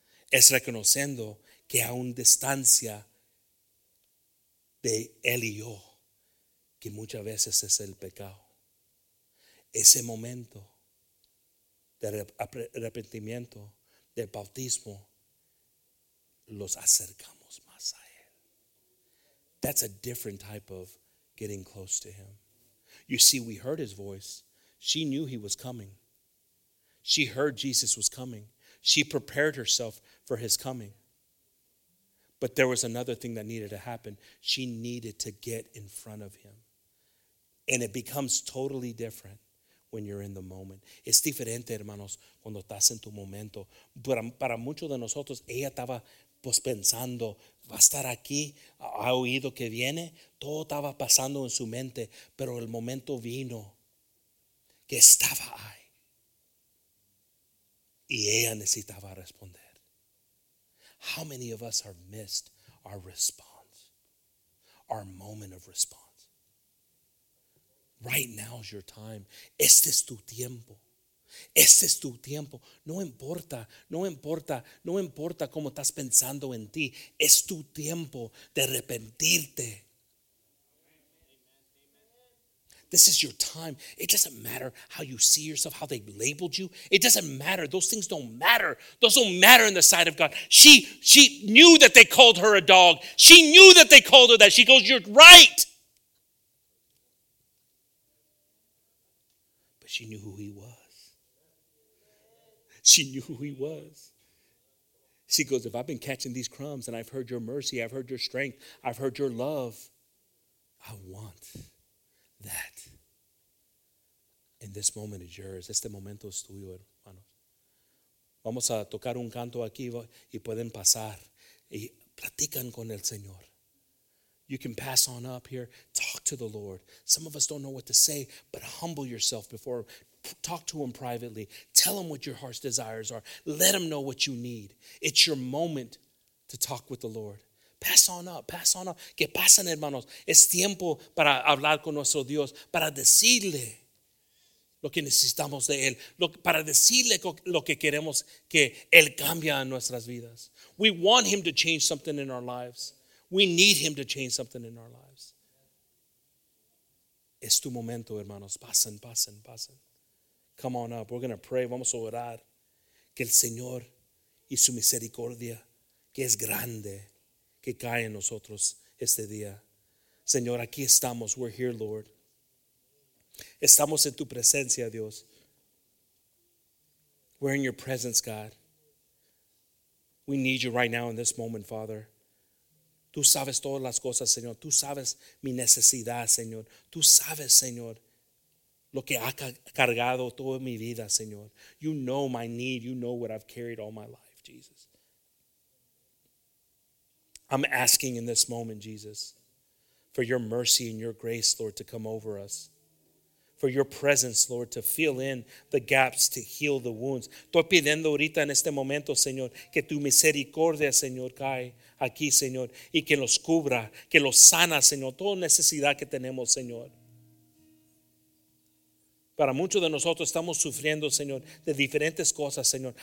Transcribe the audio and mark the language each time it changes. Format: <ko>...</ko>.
<es>Es reconociendo que a una distancia de él y yo, que muchas veces es el pecado. Ese momento del arrepentimiento, del bautismo, los acercamos más a Él.</es> <en>That's a different type of getting close to Him. You see, we heard His voice. She knew He was coming. She heard Jesus was coming. She prepared herself for His coming. But there was another thing that needed to happen. She needed to get in front of Him. And it becomes totally different when you're in the moment.</en> <es>Es diferente, hermanos, cuando estás en tu momento. Para muchos de nosotros, ella estaba pues pensando, va a estar aquí, ha oído que viene. Todo estaba pasando en su mente, pero el momento vino que estaba ahí. Y ella necesitaba responder.</es> <en>How many of us have missed our response? Our moment of response. Right now is your time.</en> <es>Este es tu tiempo. Este es tu tiempo. No importa, no importa, no importa cómo estás pensando en ti. Es tu tiempo de arrepentirte.</es> <en>This is your time. It doesn't matter how you see yourself, how they labeled you. It doesn't matter. Those things don't matter. Those don't matter in the sight of God. She knew that they called her a dog. She knew that they called her that. She goes, you're right. But she knew who He was. She knew who He was. She goes, if I've been catching these crumbs and I've heard your mercy, I've heard your strength, I've heard your love, I want that. In this moment is yours.</en> <es>Este momento es tuyo, hermano. Vamos a tocar un canto aquí y pueden pasar y platican con el Señor.</es> <en>You can pass on up here. Talk to the Lord. Some of us don't know what to say, but humble yourself before. Talk to Him privately. Tell Him what your heart's desires are. Let Him know what you need. It's your moment to talk with the Lord. Pass on up, pass on up.</en> <es>¿Qué pasan, hermanos? Es tiempo para hablar con nuestro Dios, para decirle lo que necesitamos de Él, para decirle lo que queremos que Él cambie en nuestras vidas.</es> <en>We want Him to change something in our lives. We need Him to change something in our lives.</en> <es>Es tu momento, hermanos. Pasen, pasen, pasen.</es> <en>Come on up. We're going to pray.</en> <es>Vamos a orar que el Señor y su misericordia, que es grande, que cae en nosotros este día. Señor, aquí estamos.</es> <en>We're here, Lord.</en> <es>Estamos en tu presencia, Dios.</es> <en>We're in your presence, God. We need you right now in this moment, Father.</en> <es>Tú sabes todas las cosas, Señor. Tú sabes mi necesidad, Señor. Tú sabes, Señor, lo que ha cargado toda mi vida, Señor.</es> <en>You know my need. You know what I've carried all my life, Jesus. I'm asking in this moment, Jesus, for your mercy and your grace, Lord, to come over us. For your presence, Lord, to fill in the gaps, to heal the wounds.</en> <es>Estoy pidiendo ahorita en este momento, Señor, que tu misericordia, Señor, cae aquí, Señor, y que los cubra, que los sana, Señor, toda necesidad que tenemos, Señor. Para muchos de nosotros estamos sufriendo, Señor, de diferentes cosas, Señor.</es>